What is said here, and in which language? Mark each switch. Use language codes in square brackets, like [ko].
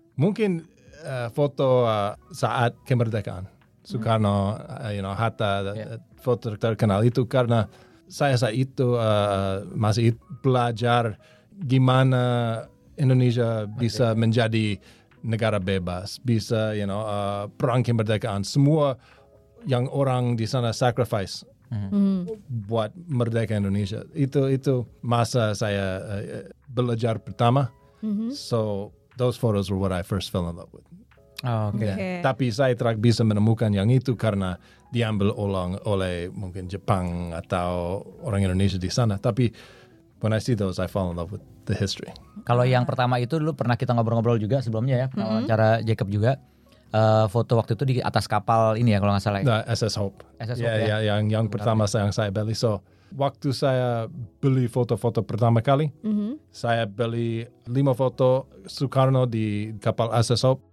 [id] Mungkin foto saat kemerdekaan Soekarno, Hatta, foto terkenal itu karena saya saat itu masih belajar gimana Indonesia bisa menjadi negara bebas, bisa, [en] you know, [id] perang kemerdekaan, semua yang orang di sana sacrifice buat merdeka Indonesia. Itu masa saya belajar pertama. [en] So those photos were what I first fell in love with. Oh, okay. Yeah. [id] Tapi saya tidak bisa menemukan yang itu karena diambil oleh mungkin Jepang atau orang Indonesia di sana. Tapi [en] when I see those, I fall in love with the history. [id] Kalau yang pertama itu dulu pernah kita ngobrol-ngobrol juga sebelumnya ya, cara Jacob juga foto waktu itu di atas kapal ini ya kalau nggak salah. [en] The SS Hope. [id] SS Hope ya. [en] Yeah, [id] yang pertama yang saya beli. [en] So [id] waktu saya beli foto-foto pertama kali, saya beli 5 foto Soekarno di kapal SS Hope.